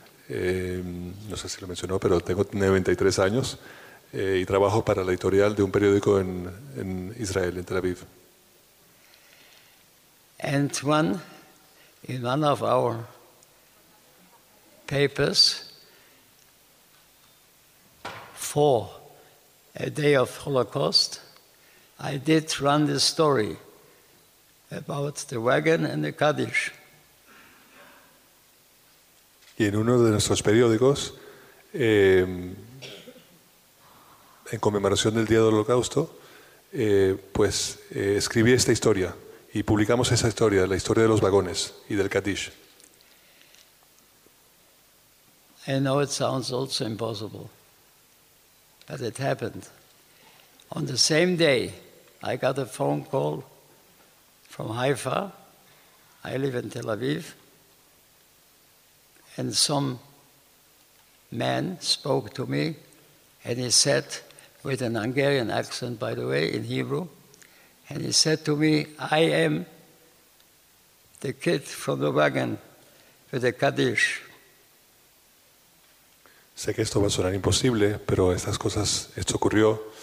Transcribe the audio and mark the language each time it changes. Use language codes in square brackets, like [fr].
[es] No sé si lo mencionó, pero tengo 93 años y trabajo para la editorial de un periódico en Israel, en Tel Aviv. [en] And in one of our papers, for a day of Holocaust, I did run this story about the wagon and the Kaddish. [es] Y en uno de nuestros periódicos, en conmemoración del Día del Holocausto, escribí esta historia. Y publicamos esa historia, la historia de los vagones y del Kaddish. [en] I know it sounds also impossible, but it happened. On the same day, I got a phone call from Haifa. I live in Tel Aviv. And some man spoke to me, and he said, with an Hungarian accent, by the way, in Hebrew, and he said to me, I am the kid from the wagon with the Kaddish. [es] Sé que esto va a sonar imposible, pero estas cosas, esto ocurrió.